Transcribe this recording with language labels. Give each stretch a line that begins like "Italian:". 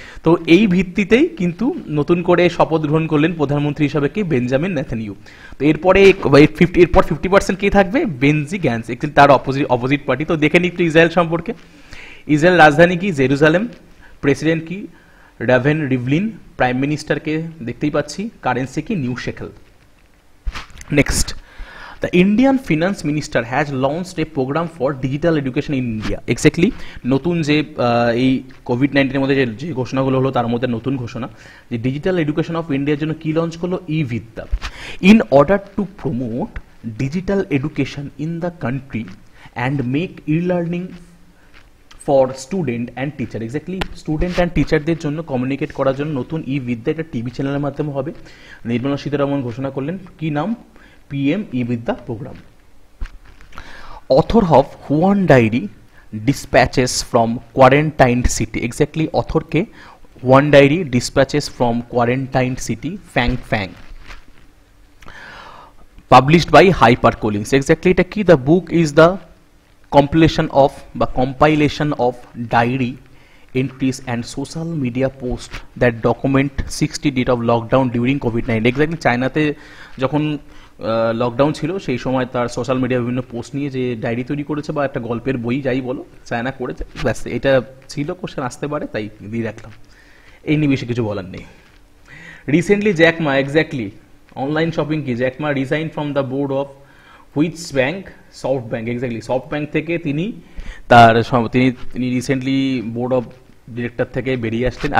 Bangla: তো এই ভিত্তিতেই কিন্তু নতুন করে শপথ গ্রহণ করলেন প্রধানমন্ত্রী হিসাবে কে, বেঞ্জামিন নেথানিয়াহু। তো এরপরে এরপর 50% কে থাকবে, বেনজি গ্যান্স, একজন তার অপোজিট পার্টি। তো দেখে নিই একটু ইসরায়েল সম্পর্কে, ইসরায়েল রাজধানী কি জেরুজালেম, প্রেসিডেন্ট কি রাভেন রিভলিন, প্রাইম মিনিস্টার কে দেখতেই পাচ্ছি, কারেন্সি কি new shekel.
English: Next, The Indian Finance Minister has launched a program for digital education in India.
Bangla: Exactly, নতুন যে এই COVID-19 এর মধ্যে যে ঘোষণাগুলো হলো তার মধ্যে নতুন ঘোষণা যে ডিজিটাল এডুকেশন অফ ইন্ডিয়ার জন্য কি লঞ্চ করলো, ই বিদ্যা।
English: in order to promote digital education in the country and make e learning for student and teacher,
Bangla: exactly student and টিচারদের জন্য কমিউনিকেট করার জন্য নতুন ই বিদ্যা একটা টিভি চ্যানেলের মাধ্যমে হবে। নির্মলা সীতারামন ঘোষণা করলেন কি নাম, PM e-vidya program.
English: Author of Huan Diary dispatches from quarantined city. Exactly, author ke Huan Diary dispatches from quarantined city, Fang Fang. Published by HarperCollins. Exactly,
Bangla: ita ki
English: the book is the compilation of the compilation of diary entries and social media post that document 60 days of lockdown during COVID-19.
Bangla: Exactly, China te jokhon lockdown ছিল সেই সময় তার social media বিভিন্ন post নিয়ে যে diary তৈরি করেছে বা একটা গল্পের বই যাই বলো চায়না করেছে, ব্যাস এটা ছিল, কোশ্চেন আসতে পারে তাই দিয়ে রাখলাম, এই নিয়ে বেশি কিছু বলার নেই। Recently Jack Ma, exactly online shopping কি, Jack Ma
English: resign from the board of which bank,
Bangla: soft bank, exactly soft bank থেকে তিনি তার তিনি রিসেন্টলি বোর্ড অফ ডিরেক্টর থেকে বেরিয়ে আসছেন।